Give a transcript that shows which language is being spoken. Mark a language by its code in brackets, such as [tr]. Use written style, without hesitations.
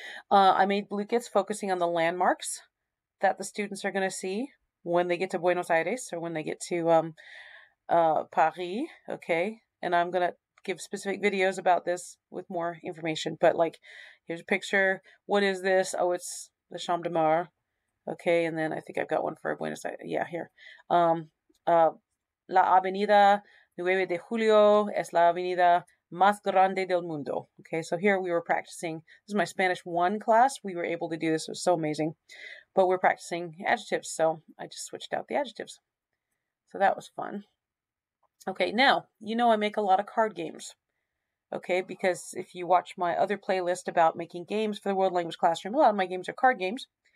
[en] I made blue kits focusing on the landmarks that the students are going to see when they get to Buenos Aires or when they get to Paris, okay? And I'm going to give specific videos about this with more information, but like, here's a picture. What is this? Oh, it's the Champ de Mars. Okay, and then I think I've got one for Buenos Aires. Yeah, here. [es] La Avenida 9 de Julio es la avenida más grande del mundo. [en] Okay, so here we were practicing. This is my Spanish 1 class. We were able to do this. It was so amazing. But we're practicing adjectives, so I just switched out the adjectives. So that was fun. Okay, now, you know I make a lot of card games. Okay, because if you watch my other playlist about making games for the World Language Classroom, a lot of my games are card games.